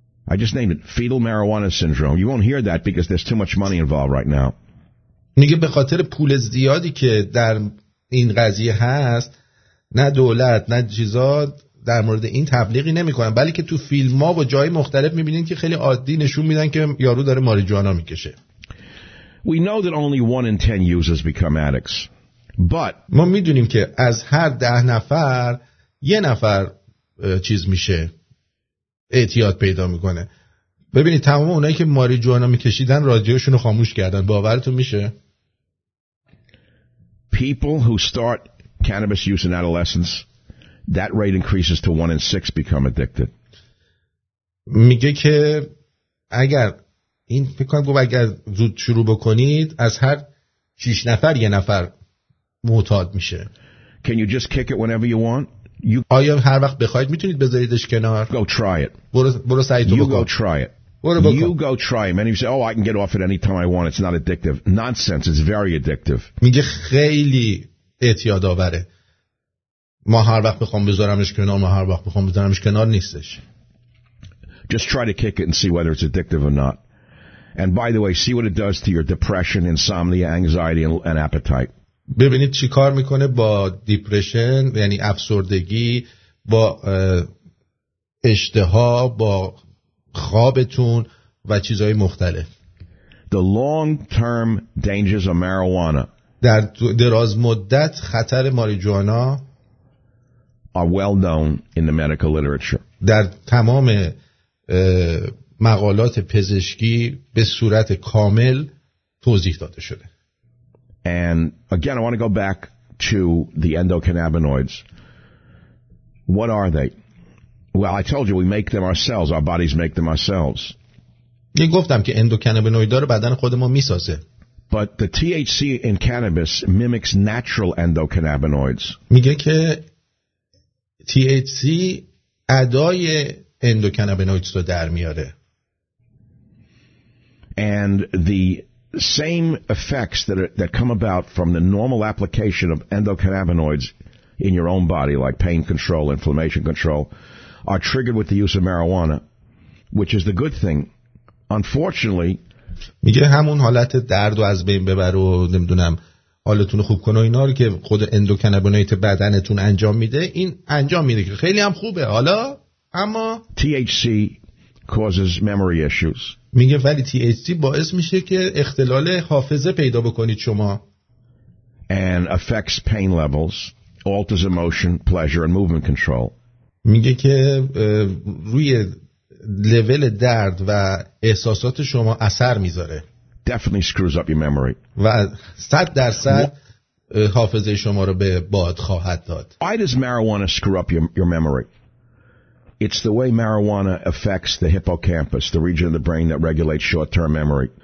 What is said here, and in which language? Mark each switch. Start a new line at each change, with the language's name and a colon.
English: I just named it fetal marijuana syndrome you won't hear that because there's too much money involved right now
Persian: میگه به خاطر پول زیادی که در این قضیه هست نه دولت نه چیزا در مورد این تبلیغی نمیکنن بلکه تو فیلم ها و جای مختلف میبینین که خیلی عادی نشون میدن که یارو داره ماریجوانا میکشه
English: We know that only 1 in 10 users become addicts. But
Persian: ما میدونیم که از هر 10 نفر یه نفر چیز میشه اعتیاد پیدا میکنه. ببینید تمام اونایی که ماری جوانا میکشیدن رادیوشون رو خاموش کردن. باورتون میشه؟
English: People who start cannabis use in adolescence, that rate increases to 1 in 6 become addicted.
Persian: میگه که اگر این فکر کنم اگر زود شروع بکنید از هر 6 نفر یه نفر معتاد میشه.
English: Can you just kick it whenever you want? You...
Persian: آیا هر وقت بخواید میتونید بذاریدش کنار؟
English: Go try it.
Persian: برو سعی تو
English: you
Persian: بکن.
English: You go try it.
Persian: برو بکن.
English: You go try it. Many say, oh, I can get off at any time I want. It's not addictive. Nonsense. It's very addictive.
Persian: میگه خیلی اعتیاد آوره. ما هر وقت بخوام بذارمش کنار، ما هر وقت بخوام بذارمش کنار نیستش.
English: Just try to kick it and see whether it's addictive or not. And by the way, see what it does to your depression, insomnia, anxiety, and appetite.
Persian: ببینید چی کار میکنه با دیپریشن، یعنی افسردگی، با اشتها، با خوابتون و چیزهای مختلف.
English: The long-term dangers of marijuana.
Persian: در دراز مدت خطر ماریجوانا
English: are well known in the medical literature.
Persian: در تمام مقالات پزشکی به صورت کامل توضیح داده شده.
English: And again, I want to go back to the endocannabinoids. What are they? Well, I told you we make them ourselves. Our bodies make them ourselves.
Persian: یه گفتم که اندوکانابینوید داره بدن خود ما میسازه.
English: But the THC in cannabis mimics natural endocannabinoids.
Persian: میگه که THC ادای اندوکانابینوید رو در میاره.
English: And the same effects that come about from the normal application of endocannabinoids in your own body, like pain control, inflammation control, are triggered with the use of marijuana, which is the good thing. Unfortunately,
Persian: میگه همون حالت درد و از بین ببر و نمیدونم حالتون خوب کنه اینا رو که خود اندوکانابینوید بدنتون انجام میده، این انجام میده که خیلی هم خوبه. حالا اما
English: THC causes memory issues.
Persian: میگه ولی THC باعث میشه که اختلال حافظه پیدا بکنید شما.
English: And affects pain levels, alters emotion, pleasure and movement control.
Persian: میگه که روی لول درد و احساسات شما اثر میذاره.
English: Definitely screws up your memory.
Persian: و 100% حافظه شما رو به باد خواهد داد.
English: Why does marijuana screw up your memory? It's the way marijuana affects the hippocampus, the region of the brain that regulates short-term memory.